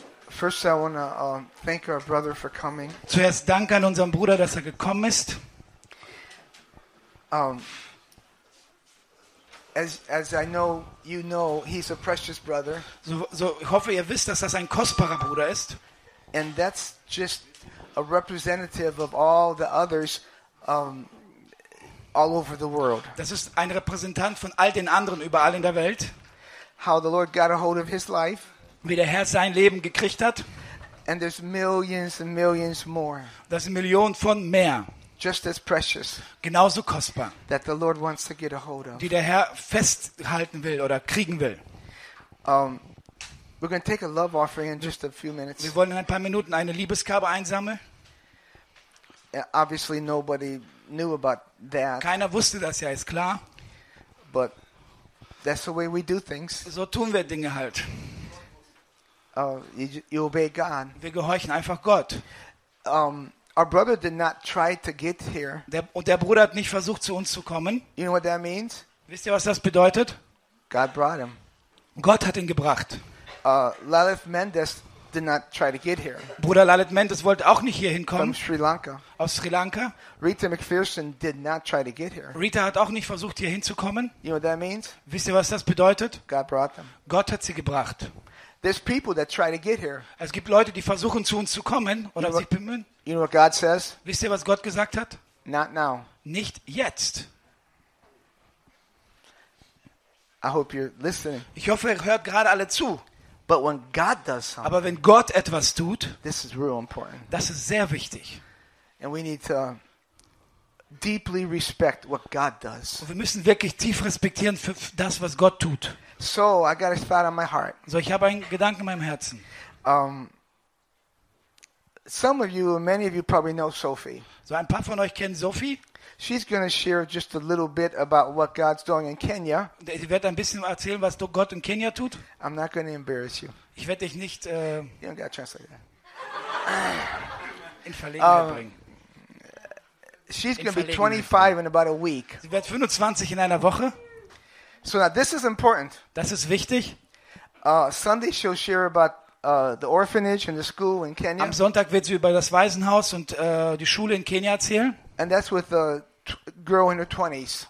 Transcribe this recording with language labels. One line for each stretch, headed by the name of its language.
English: First, I want to thank our brother for coming.
German: Zuerst danke an unseren Bruder, dass er gekommen ist.
English: As I know, you know, he's a precious brother.
German: So ich hoffe, ihr wisst, dass das ein kostbarer Bruder ist.
English: And that's just a representative of all the others all over the world.
German: Das ist ein Repräsentant von all den anderen überall in der Welt.
English: How the Lord got a hold of his life.
German: Wie der Herr sein Leben gekriegt hat.
English: And there's millions and millions more.
German: Das sind Millionen von mehr.
English: Just as precious.
German: Genauso kostbar.
English: That the Lord wants to get a hold of.
German: Die der Herr festhalten will oder kriegen will.
English: We're going to take a love offering in just a few minutes.
German: Wir wollen in ein paar Minuten eine Liebesgabe einsammeln.
English: Obviously nobody knew about that.
German: Keiner wusste das, ja, ist klar.
English: But that's the way we do things.
German: So tun wir Dinge halt.
English: You obey God.
German: Wir gehorchen einfach Gott.
English: Our brother did not try to get here.
German: Der Bruder hat nicht versucht, zu uns zu kommen.
English: You know what that means?
German: Wisst ihr, was das bedeutet?
English: God brought him.
German: Gott hat ihn gebracht.
English: Lalith Mendes did not try to get here.
German: Bruder Lalith Mendes wollte auch nicht hier hinkommen.
English: From Sri Lanka.
German: Aus Sri Lanka.
English: Rita McPherson did not try to get here.
German: Rita hat auch nicht versucht, hier hinzukommen.
English: You know what that means?
German: Wisst ihr, was das bedeutet?
English: God brought them.
German: Gott hat sie gebracht.
English: There's people that try to get here.
German: Es gibt Leute, die versuchen zu uns zu kommen oder sich bemühen.
English: You know what God says?
German: Wisst ihr, was Gott gesagt hat?
English: Not now.
German: Nicht jetzt.
English: I hope you're listening.
German: Ich hoffe, ihr hört gerade alle zu.
English: But when God does something,
German: aber wenn Gott etwas tut,
English: this is real important.
German: Das ist sehr wichtig.
English: And we need to deeply respect what God does.
German: Und wir müssen wirklich tief respektieren für das, was Gott tut.
English: So, I got a thought on my heart.
German: So, ich habe einen Gedanken in meinem Herzen.
English: Some of you, many of you probably know Sophie.
German: So, ein paar von euch kennen Sophie.
English: She's going to share just a little bit about what God's doing in Kenya.
German: Sie wird ein bisschen erzählen, was Gott in Kenya tut.
English: I'm not going to embarrass you.
German: Ich werde dich nicht
English: you don't got to translate that.
German: In Verlegenheit bringen.
English: She's going to be 25 in about a week.
German: Sie wird 25 in einer Woche.
English: So now this is important.
German: Das ist wichtig.
English: Sunday she'll share about the orphanage and the school in Kenya.
German: Am Sonntag wird sie über das Waisenhaus und die Schule in Kenia erzählen.
English: And that's with a girl in her 20s.